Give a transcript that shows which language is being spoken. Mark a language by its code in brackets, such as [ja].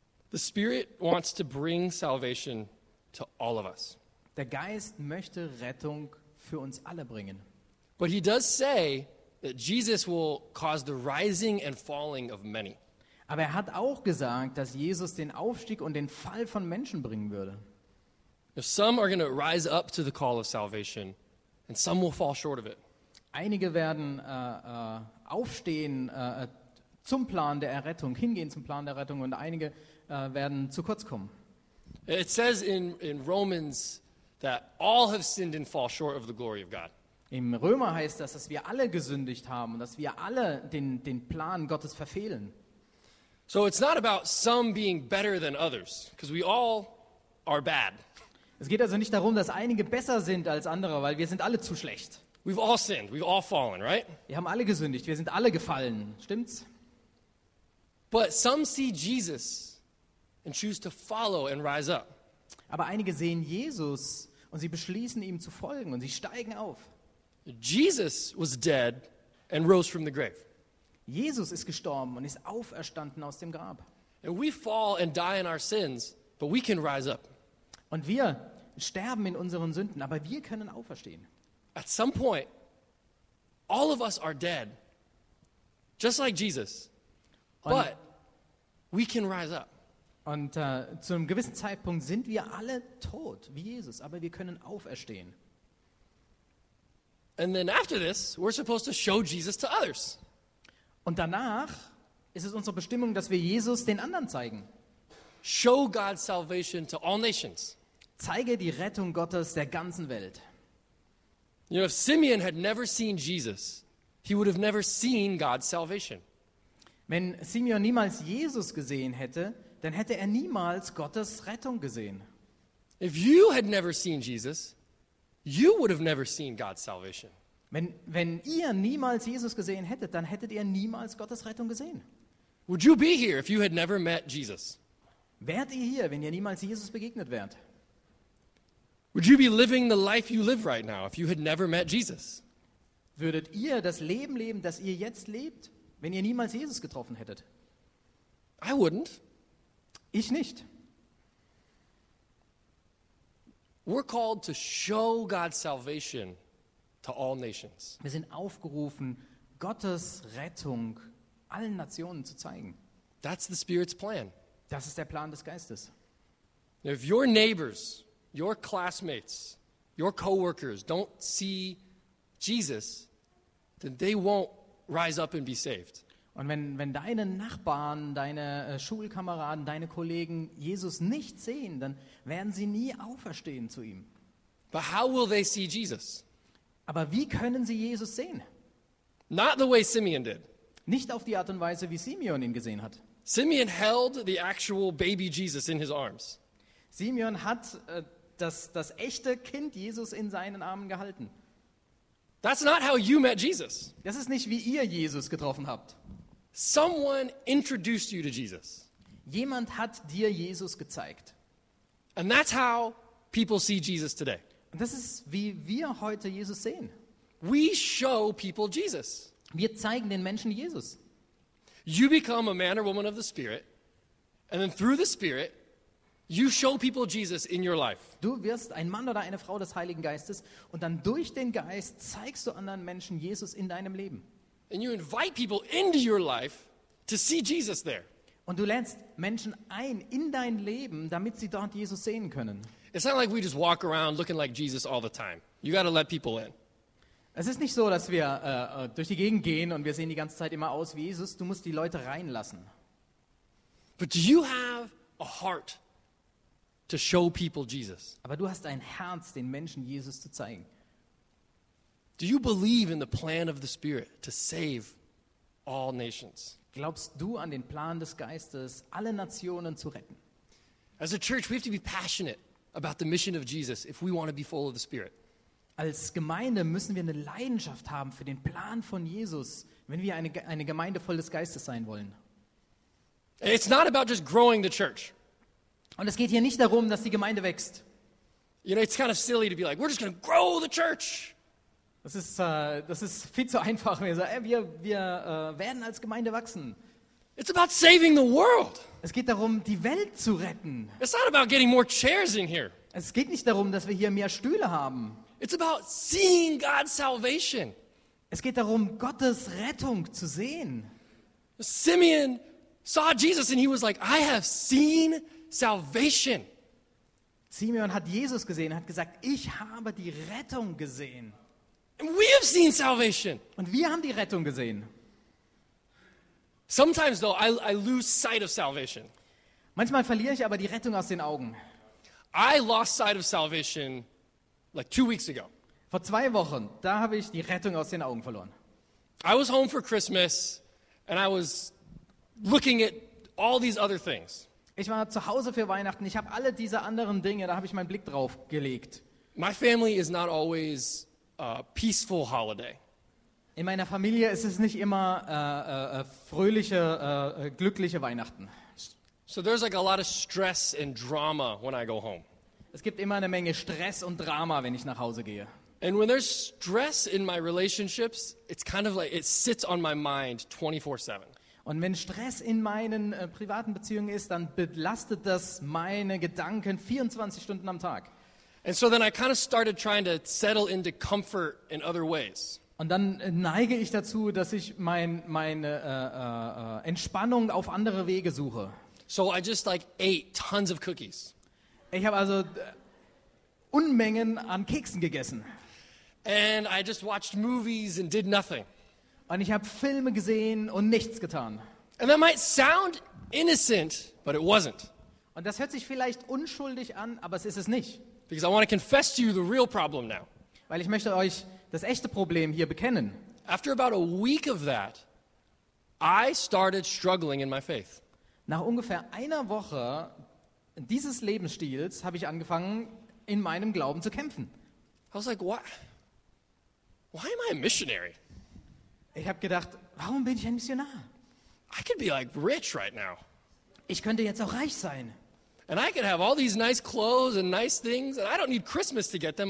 [en] The Spirit wants to bring salvation to all of us. [de] Der Geist möchte Rettung für uns alle bringen. [en] But he does say that Jesus will cause the rising and falling of many. [de] Aber er hat auch gesagt, dass Jesus den Aufstieg und den Fall von Menschen bringen würde. [en] Some are going to rise up to the call of salvation, and some will fall short of it. [de] Einige werden aufstehen zum Plan der Errettung, hingehen zum Plan der Rettung, und einige werden zu kurz kommen. [en] It says in Romans that all have sinned and fall short of the glory of God. [de] Im Römer heißt das, dass wir alle gesündigt haben und dass wir alle den Plan Gottes verfehlen. [en] So it's not about some being better than others, because we all are bad. [de] Es geht also nicht darum, dass einige besser sind als andere, weil wir sind alle zu schlecht. [en] We've all sinned, we've all fallen, right? [de] Wir haben alle gesündigt, wir sind alle gefallen, stimmt's? [en] But some see Jesus and choose to follow and rise up. [de] Aber einige sehen Jesus und sie beschließen, ihm zu folgen, und sie steigen auf. [en] Jesus was dead and rose from the grave. [de] Jesus ist gestorben und ist auferstanden aus dem Grab. [en] And we fall and die in our sins, but we can rise up. [de] Und wir sterben in unseren Sünden, aber wir können auferstehen. [en] At some point, all of us are dead, just like Jesus, but we can rise up. [de] Und zu einem gewissen Zeitpunkt sind wir alle tot, wie Jesus, aber wir können auferstehen. [en] And then after this, we're supposed to show Jesus to others. [de] Und danach ist es unsere Bestimmung, dass wir Jesus den anderen zeigen. [en] Show God's salvation to all nations. [de] Zeige die Rettung Gottes der ganzen Welt. [en] You know, if Simeon had never seen Jesus, he would have never seen God's salvation. [de] Wenn Simeon niemals Jesus gesehen hätte, dann hätte er niemals Gottes Rettung gesehen. [en] If you had never seen Jesus, you would have never seen God's salvation. [de] Wenn ihr niemals Jesus gesehen hättet, dann hättet ihr niemals Gottes Rettung gesehen. [en] Would you be here if you had never met Jesus? [de] Wärt ihr hier, wenn ihr niemals Jesus begegnet wärt? [en] Would you be living the life you live right now if you had never met Jesus? [de] Würdet ihr das Leben leben, das ihr jetzt lebt, wenn ihr niemals Jesus getroffen hättet? [en] I wouldn't. [de] Ich nicht. [en] We're called to show God's salvation to all nations. [de] Wir sind aufgerufen, Gottes Rettung allen Nationen zu zeigen. [en] That's the Spirit's plan. [de] Das ist der Plan des Geistes. [en] If your neighbors, your classmates, your coworkers don't see Jesus, then they won't rise up and be saved. [de] Und wenn deine Nachbarn, deine Schulkameraden, deine Kollegen Jesus nicht sehen, dann werden sie nie auferstehen zu ihm. [en] But how will they see Jesus? [de] Aber wie können sie Jesus sehen? [en] Not the way Simeon did. [de] Nicht auf die Art und Weise, wie Simeon ihn gesehen hat. [en] Simeon held the actual baby Jesus in his arms. [de] Simeon hat das echte Kind Jesus in seinen Armen gehalten. [en] That's not how you met Jesus. [de] Das ist nicht, wie ihr Jesus getroffen habt. [en] Someone introduced you to Jesus. [de] Jemand hat dir Jesus gezeigt. [en] And that's how people see Jesus today. [de] Und das ist, wie wir heute Jesus sehen. [en] We show people Jesus. [de] Wir zeigen den Menschen Jesus. [en] You become a man or woman of the Spirit, and then through the Spirit, you show people Jesus in your life. [de] Du wirst ein Mann oder eine Frau des Heiligen Geistes, und dann durch den Geist zeigst du anderen Menschen Jesus in deinem Leben. [en] And you invite people into your life to see Jesus there. [de] Und du lädst Menschen ein in dein Leben, damit sie dort Jesus sehen können. [en] It's not like we just walk around looking like Jesus all the time. You got to let people in. [de] Es ist nicht so, dass wir durch die Gegend gehen und wir sehen die ganze Zeit immer aus wie Jesus. Du musst die Leute reinlassen. [en] But do you have a heart to show people Jesus? [de] Aber du hast ein Herz, den Menschen Jesus zu zeigen. [en] Do you believe in the plan of the Spirit to save all nations? [de] Glaubst du an den Plan des Geistes, alle Nationen zu retten? [en] As a church, we have to be passionate about the mission of Jesus if we want to be full of the Spirit. [de] Als Gemeinde müssen wir eine Leidenschaft haben für den Plan von Jesus, wenn wir eine Gemeinde voll des Geistes sein wollen. [en] It's not about just growing the church. [de] Und es geht hier nicht darum, dass die Gemeinde wächst. [en] You know, it's kind of silly to be like, we're just going to grow the church. [de] Das ist viel zu einfach. Wir werden als Gemeinde wachsen. [en] It's about saving the world. [de] Es geht darum, die Welt zu retten. [en] It's not about getting more chairs in here. [de] Es geht nicht darum, dass wir hier mehr Stühle haben. [en] It's about seeing God's salvation. [de] Es geht darum, Gottes Rettung zu sehen. [en] Simeon saw Jesus and he was like, I have seen salvation. [de] Simeon hat Jesus gesehen und hat gesagt, ich habe die Rettung gesehen. [en] And we have seen salvation. [de] Und wir haben die Rettung gesehen. [en] Sometimes though I lose sight of salvation. [de] Manchmal verliere ich aber die Rettung aus den Augen. [en] I lost sight of salvation like 2 weeks ago. [de] Vor 2 Wochen, da habe ich die Rettung aus den Augen verloren. [en] I was home for Christmas and I was looking at all these other things. [de] Ich war zu Hause für Weihnachten, ich habe alle diese anderen Dinge, da habe ich meinen Blick drauf gelegt. [en] My family is not always a peaceful holiday. [de] In meiner Familie ist es nicht immer fröhliche, glückliche Weihnachten. [en] So there's like a lot of stress and drama when I go home. [de] Es gibt immer eine Menge Stress und Drama, wenn ich nach Hause gehe. [en] And when there's stress in my relationships, it's kind of like it sits on my mind 24/7. [de] Und wenn Stress in meinen privaten Beziehungen ist, dann belastet das meine Gedanken 24 Stunden am Tag. [en] And so then I kind of started trying to settle into comfort in other ways. [de] Und dann neige ich dazu, dass ich meine Entspannung auf andere Wege suche. [en] So I just like ate tons of cookies. [de] Ich habe also Unmengen an Keksen gegessen. [en] And I just watched movies and did nothing. [de] Und ich habe Filme gesehen und nichts getan. [en] And that might sound innocent, but it wasn't. [de] Und das hört sich vielleicht unschuldig an, aber es ist es nicht. [en] Because I want to confess to you the real problem now. [de] Weil ich möchte euch das echte Problem hier bekennen. [en] After about a week of that, I started struggling in my faith. [de] Nach ungefähr einer Woche dieses Lebensstils habe ich angefangen, in meinem Glauben zu kämpfen. [en] I was like, what? Why am I a missionary? [de] Ich habe gedacht, warum bin ich ein Missionar? [en] I could be like rich right now. [de] Ich könnte jetzt auch reich sein. [en] And I could have all these nice clothes and nice things, and I don't need Christmas to get them.